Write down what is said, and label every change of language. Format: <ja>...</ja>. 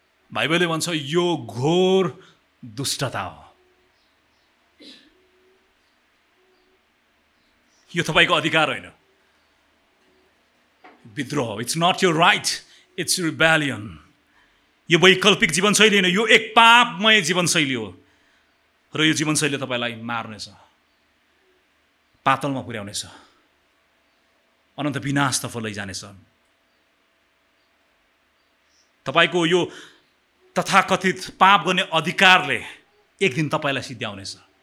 <ne>बाइबलले भन्छ यो घोर दुष्टता हो। यो तपाईँको अधिकार होइन, विद्रोह हो।</ne> <en>It's not your right, it's rebellion.</en> <ne>यो वैकल्पिक जीवनशैली होइन, यो एक पापमय जीवनशैली हो र यो जीवनशैली तपाईँलाई मार्नेछ, पातलमा पुर्याउनेछ, अनन्त विनाशतर्फ लैजानेछ। तपाईँको यो तथाकथित पाप गर्ने अधिकारले एक दिन तपाईँलाई सिद्ध्याउनेछ।</ne>